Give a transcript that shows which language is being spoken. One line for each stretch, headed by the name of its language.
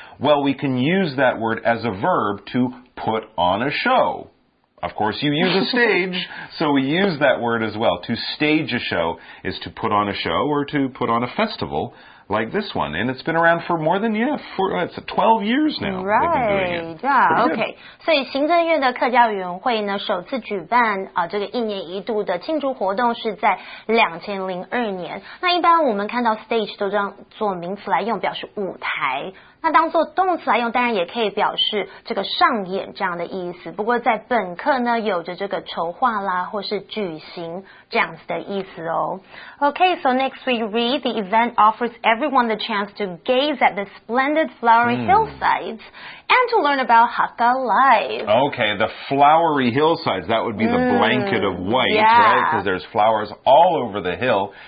English: Well, we can use that word as a verb to put on a show. Of course, you use a stage, so we use that word as well. To stage a show is to put on a show or to put on a festival like this one. And it's been around for more than, it's 12 years now. Right, they've been doing it. Yeah, okay.
Chinese: 所以行政院的客家委员会呢，首次举办这个一年一度的庆祝活动是在2002年。那一般我们看到 stage 都这样做名词来用，表示舞台。那当作动词来用，当然也可以表示这个上演这样的意思。不过在本课呢，有着这个筹划啦，或是举行这样子的意思哦。
English: Okay, so next we read the event offers everyone the chance to gaze at the splendid flowery hillsides and to learn about Hakka life. Okay, the flowery hillsides, that would be the blanket of white, yeah. right? Because there's flowers all over the hill.